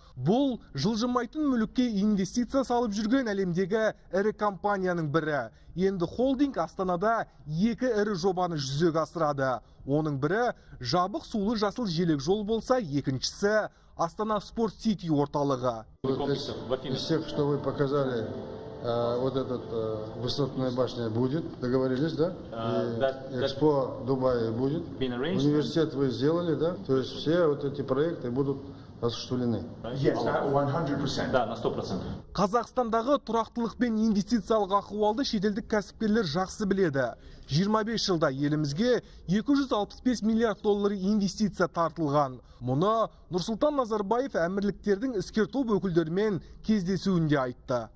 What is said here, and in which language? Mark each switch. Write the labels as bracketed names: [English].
[Kazakh] Бұл жылжымайтын мүлікке инвестиция салып жүрген әлемдегі ірі компанияның бірі. Енді холдинг Астанада екі ірі жобаны жүзеге асырады. Оның бірі жабық сулы жасыл желек жол болса, екіншісі Астана Спорт Сити орталығы. [Russian] Из всех, что вы показали, вот эта высотная башня будет, договорились, да? Экспо Дубая будет. Университет вы сделали, да? То есть все вот эти проекты будут осуществлены. [Kazakh] Қазақстандағы тұрақтылық пен инвестициялық ахуалды шетелдік кәсіпкерлер жақсы біледі. 25 жылда елімізге 265 миллиард доллар инвестиция тартылған. Мұны Нұрсұлтан Назарбаев әмірліктердің іскер топ өкілдерімен кездесуінде айтты.